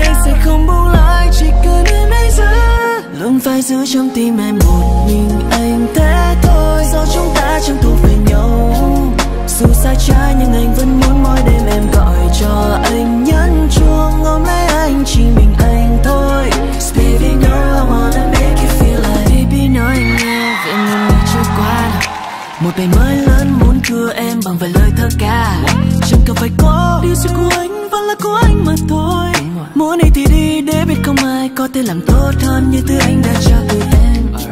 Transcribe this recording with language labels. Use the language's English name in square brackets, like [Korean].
[Vietnamese] Anh sẽ không buông lại, chỉ cần em hãy giữ. Luôn phải giữ trong tim em một mình anh thế thôi. Do chúng ta chẳng thuộc về nhau. Dù xa trái nhưng anh vẫn muốn mỗi đêm em gọi cho anh nhấn chuông. Ôm lấy anh chỉ mình anh thôi. [English] Baby girl I wanna make you feel like. [Vietnamese] Baby nói anh nghe về những ngày trôi qua. Một ngày mới lớn muốn cưa em bằng vài lời thơ ca. Chẳng cần phải có điều gì của anh vẫn là của anh mà thôi. Muốn đi thì đi để biết không ai có thể làm tốt hơn như thứ anh đã cho từ em.